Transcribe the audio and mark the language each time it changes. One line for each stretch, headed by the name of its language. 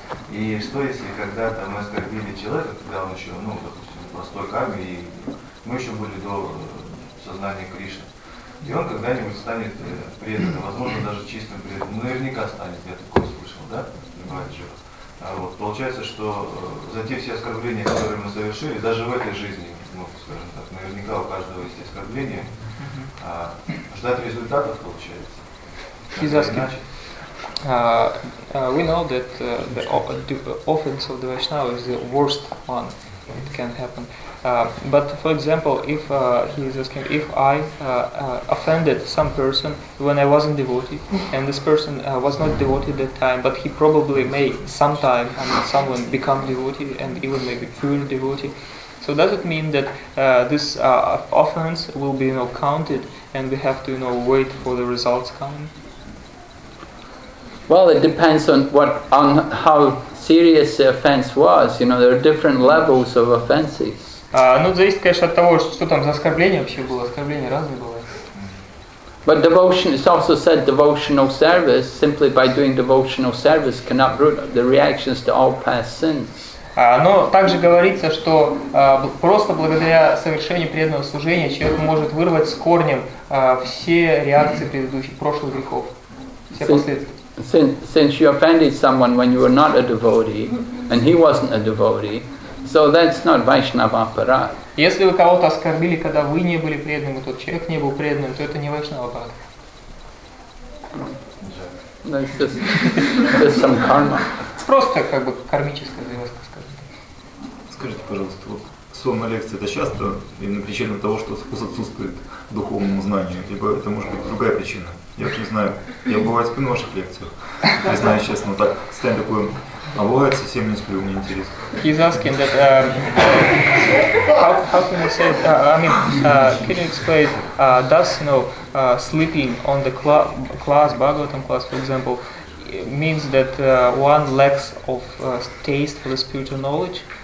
Russian: И что если когда-то мы оскорбили человека, когда он еще, ну, допустим, простой карми, и мы еще были до сознания Кришны, и он когда-нибудь станет преданным, возможно, даже чистым преданным, наверняка станет, я такое слышал, да, Баджива. Вот, получается, что за те все оскорбления, которые мы совершили, даже в этой жизни, ну, скажем так, наверняка у каждого есть оскорбления, ждать результатов получается. Физаски.
English: We know that the offense of the Vaishnava is the worst one that can happen. But for example, if he is asking, if I offended some person when I wasn't devotee, and this person was not devotee at that time, but he probably may sometime, I mean, someone become devotee and even maybe pure devotee. So does it mean that this offense will be, you know, counted, and we have to, you know, wait for the results coming? Well, it depends on how serious the offense was. You know, there are different levels of offenses.
Russian: Ну, зависит, конечно, от того, что там за оскорбление вообще было. Оскорбление разное бывает.
English: But devotion, it's also said devotional service, simply by doing devotional service can uproot the reactions to all past sins.
Russian: Но также говорится, что просто благодаря совершению преданного служения человек может вырвать с корнем все реакции предыдущих, прошлых грехов, все последствия.
English: Since you offended someone when you were not a devotee, and he wasn't a devotee, so that's not Vaishnava aparad.
Russian: Если вы кого-то оскорбили, когда вы не были преданным, и тот человек не был преданным, то это не Vaishnava aparad.
English: That's just some karma.
Russian: Просто как бы кармическая завязка, скажем так. Скажите, пожалуйста, вот сонная лекция это часто именно причина того, что вкус отсутствует духовному знанию, либо это может быть другая причина? Я не знаю, я бывает сплю на ваших лекциях. Не знаю, честно, так стоим такой, а бывает совсем не сплю, мне интересно.
English: He's asking that how can you say can you explain does you know sleeping on the class Bhagavatam class for example means that one lacks of taste for the spiritual knowledge?